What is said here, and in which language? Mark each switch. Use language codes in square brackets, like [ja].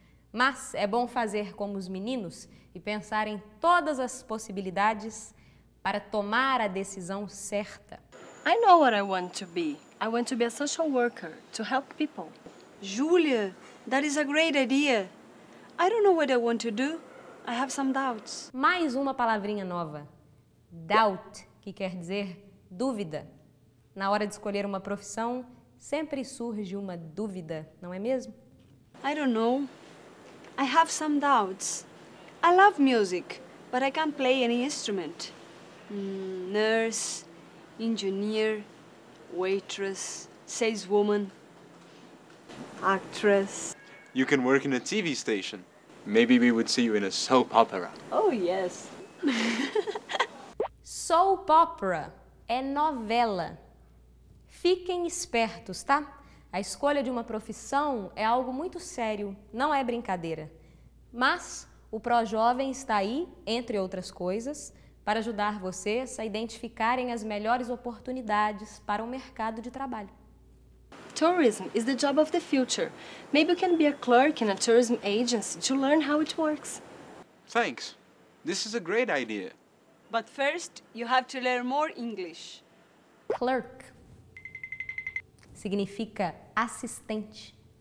[pt] Mas é bom fazer como os meninos e pensar em todas as possibilidades para tomar a decisão certa. [en] I know what I want to be. I want to be a social worker to help people. Julia, that is a great idea. I don't know what I want to do. I have some doubts. [pt] Mais uma palavrinha nova. Doubt, que quer dizer dúvida. Na hora de escolher uma profissão, sempre surge uma dúvida, não é mesmo? [en] I don't know. I have some doubts. I love music, but I can't play any instrument. Nurse, engineer, waitress, saleswoman, actress. You can work in a TV station. Maybe we would see you in a soap opera. Oh, yes. [pt] Soap opera é novela. Fiquem espertos, tá? A escolha de uma profissão é algo muito sério, não é brincadeira. Mas o Projovem está aí, entre outras coisas, para ajudar vocês a identificarem as melhores oportunidades para o mercado de trabalho. [en] Tourism is the job of the future. Maybe you can be a clerk in a tourism agency to learn how it works. Thanks. This is a great idea. But first, you have to learn more English. [pt] Clerk significa assistente.